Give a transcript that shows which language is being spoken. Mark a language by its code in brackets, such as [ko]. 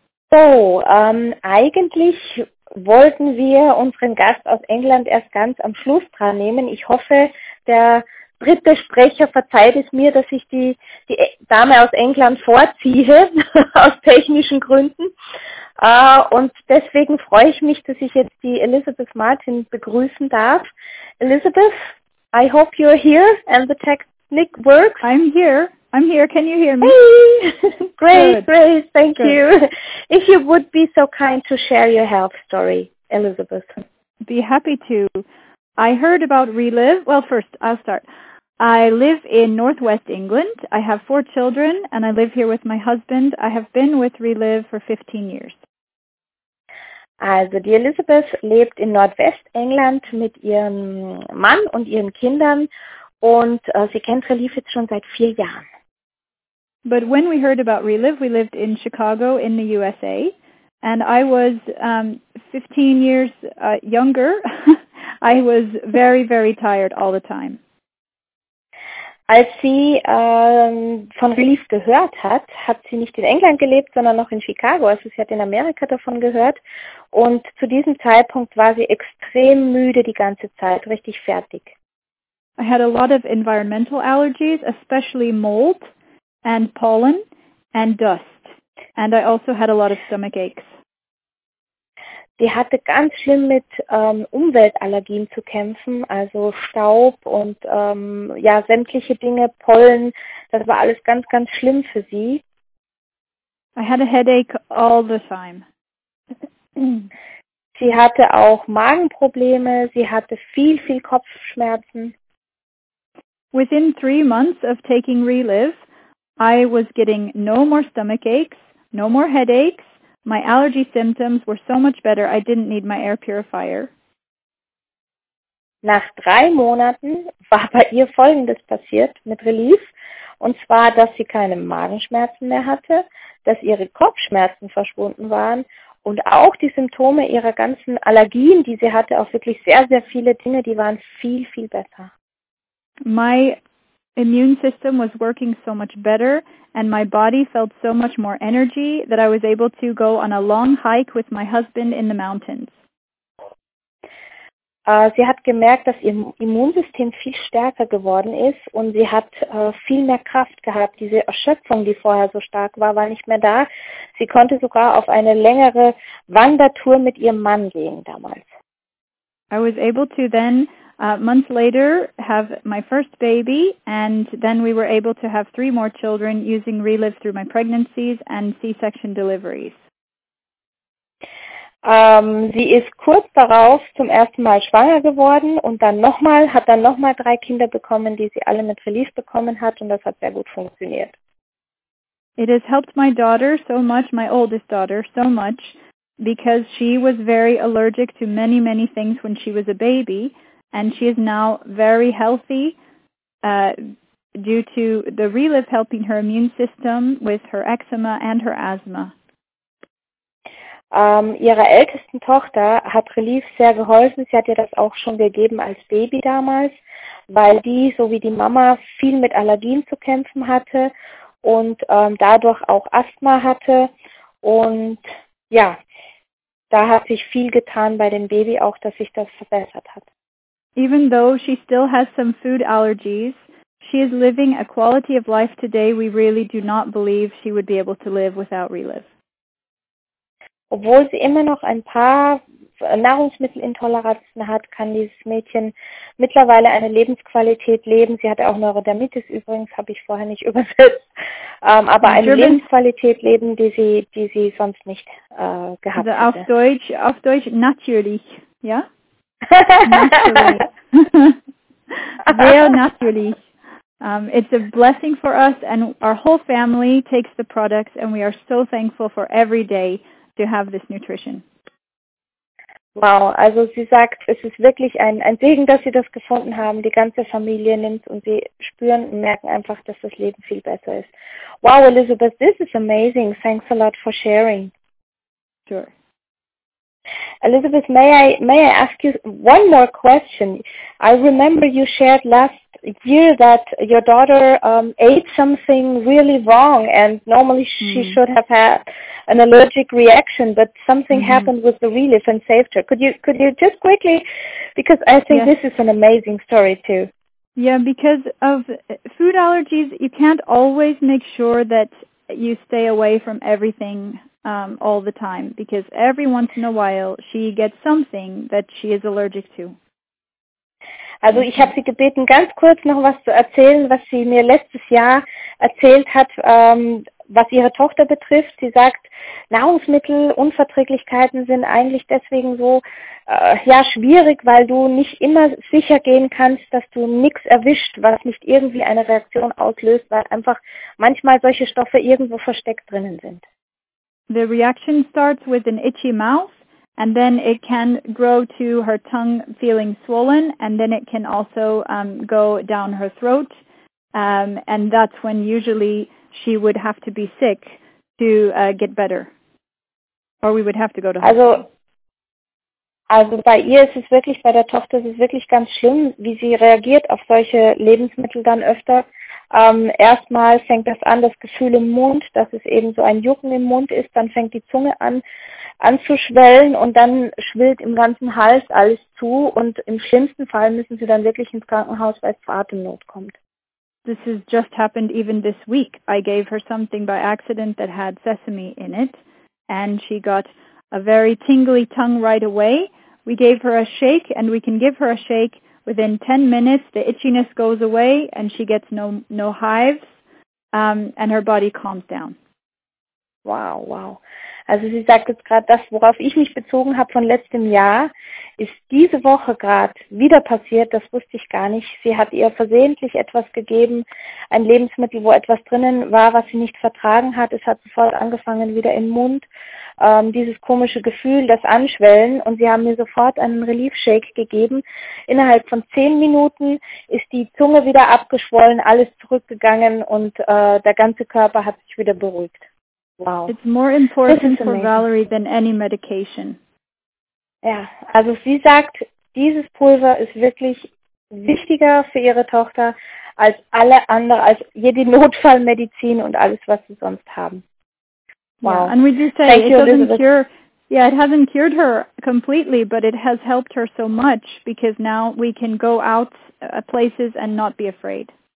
[de] So, eigentlich wollten wir unseren Gast aus England erst ganz am Schluss dran nehmen. Ich hoffe, der dritte Sprecher verzeiht es mir, dass ich die Dame aus England vorziehe, aus technischen Gründen. Und deswegen freue ich mich, dass ich jetzt die Elizabeth Martin begrüßen darf. [en] Elizabeth, I hope you're here and the technique works. I'm here. Can you hear me? Hey. Great. Thank Good. You. If you would be so kind to share your health story, Elizabeth. Be happy to. I heard about Relive. Well, first, I'll start. I live in Northwest England. I have 4 children and I live here with my husband. I have been with Relive for 15 years. [de] Also die Elizabeth lebt in Nordwestengland mit ihrem Mann und ihren Kindern und sie kennt Relive jetzt schon seit 4 Jahren. [en] But when we heard about Relive, we lived in Chicago in the USA and I was 15 years younger. I was very, very tired all the time. [de] Als sie von Relief gehört hat, hat sie nicht in England gelebt, sondern noch in Chicago. Also sie hat in Amerika davon gehört. Und zu diesem Zeitpunkt war sie extrem müde die ganze Zeit, richtig fertig. [en] I had a lot of environmental allergies, especially mold and pollen and dust. And I also had a lot of stomach aches. [de] Sie hatte ganz schlimm mit Umweltallergien zu kämpfen, also Staub und ja, sämtliche Dinge, Pollen, das war alles ganz, ganz schlimm für sie. [en] I had a headache all the time. [de] Sie hatte auch Magenprobleme, sie hatte viel, viel Kopfschmerzen. [en] Within 3 months of taking Relive, I was getting no more stomach aches, no more headaches. My allergy symptoms were so much better, I didn't need my air purifier. [de] Nach 3 Monaten war bei ihr Folgendes passiert mit Relief, und zwar, dass sie keine Magenschmerzen mehr hatte, dass ihre Kopfschmerzen verschwunden waren und auch die Symptome ihrer ganzen Allergien, die sie hatte, auch wirklich sehr, sehr viele Dinge, die waren viel, viel besser. [en] My immune system was working so much better and my body felt so much more energy that I was able to go on a long hike with my husband in the mountains. [de] Sie hat gemerkt, dass ihr Immunsystem viel stärker geworden ist und sie hat viel mehr Kraft gehabt. Diese Erschöpfung, die vorher so stark war, war nicht mehr da. Sie konnte sogar auf eine längere Wandertour mit ihrem Mann gehen damals. [en] I was able to then months later, have my first baby, and then we were able to have 3 more children using Relive through my pregnancies and C-section deliveries. [de] Sie ist kurz darauf zum ersten Mal schwanger geworden und dann nochmal, hat dann nochmal 3 Kinder bekommen, die sie alle mit Relive bekommen hat, und das hat sehr gut funktioniert. [en] It has helped my daughter so much, my oldest daughter, so much, because she was very allergic to many, many things when she was a baby. And she is now very healthy due to the Relive helping her immune system with her eczema and her asthma. [de] Ihrer ältesten Tochter hat Relief sehr geholfen. Sie hat ihr das auch schon gegeben als Baby damals, weil die, so wie die Mama, viel mit Allergien zu kämpfen hatte und dadurch auch Asthma hatte. Und ja, da hat sich viel getan bei dem Baby auch, dass sich das verbessert hat. [en] Even though she still has some food allergies, she is living a quality of life today we really do not believe she would be able to live without Relive. [de] Obwohl sie immer noch ein paar Nahrungsmittelintoleranzen hat, kann dieses Mädchen mittlerweile eine Lebensqualität leben. Sie hatte auch Neurodermitis übrigens, habe ich vorher nicht übersetzt. Aber eine Lebensqualität leben, die sie sonst nicht gehabt hätte. Auf Deutsch natürlich, ja? Natürlich. Sehr natürlich. [en] It's a blessing for us, and our whole family takes the products, and we are so thankful for every day to have this nutrition. [de] Wow, also sie sagt, es ist wirklich ein Segen, dass sie das gefunden haben. Die ganze Familie nimmt und sie spüren und merken einfach, dass das Leben viel besser ist. [en] Wow, Elizabeth, this is amazing. Thanks a lot for sharing. Sure. Elizabeth, may I ask you one more question? I remember you shared last year that your daughter ate something really wrong, and normally she should have had an allergic reaction, but something happened with the Relief and saved her. Could you just quickly, because I think this is an amazing story too. Yeah, because of food allergies, you can't always make sure that you stay away from everything all the time, because every once in a while she gets something that she is allergic to. [de] Also ich habe sie gebeten, ganz kurz noch was zu erzählen, was sie mir letztes Jahr erzählt hat, was ihre Tochter betrifft. Sie sagt, Nahrungsmittelunverträglichkeiten sind eigentlich deswegen so schwierig, weil du nicht immer sicher gehen kannst, dass du nichts erwischt, was nicht irgendwie eine Reaktion auslöst, weil einfach manchmal solche Stoffe irgendwo versteckt drinnen sind. [en] The reaction starts with an itchy mouth, and then it can grow to her tongue feeling swollen, and then it can also go down her throat, and that's when usually she would have to be sick to get better, or we would have to go to hospital. [de] Also bei ihr ist es wirklich, bei der Tochter ist es wirklich ganz schlimm, wie sie reagiert auf solche Lebensmittel dann öfter. Erstmal fängt das an, das Gefühl im Mund, dass es eben so ein Jucken im Mund ist, dann fängt die Zunge an anzuschwellen und dann schwillt im ganzen Hals alles zu und im schlimmsten Fall müssen sie dann wirklich ins Krankenhaus, weil es zur Atemnot kommt. [en] This has just happened even this week. I gave her something by accident that had sesame in it and she got a very tingly tongue right away. We gave her a shake and we can give her a shake. Within 10 minutes, the itchiness goes away and she gets no hives and her body calms down. Wow. [de] Also sie sagt jetzt gerade, das, worauf ich mich bezogen habe von letztem Jahr, ist diese Woche gerade wieder passiert. Das wusste ich gar nicht. Sie hat ihr versehentlich etwas gegeben, ein Lebensmittel, wo etwas drinnen war, was sie nicht vertragen hat. Es hat sofort angefangen, wieder im Mund. Dieses komische Gefühl, das Anschwellen, und sie haben mir sofort einen Relief-Shake gegeben. Innerhalb von 10 Minuten ist die Zunge wieder abgeschwollen, alles zurückgegangen und der ganze Körper hat sich wieder beruhigt. Wow. [en] It's more important for Valerie than any medication. [de] Ja, also sie sagt, dieses Pulver ist wirklich wichtiger für ihre Tochter als alle andere, als jede Notfallmedizin und alles, was sie sonst haben. Wow. [en] Yeah, and we do say it hasn't cured her completely, but it has helped her so much because now we can go out places and not be afraid.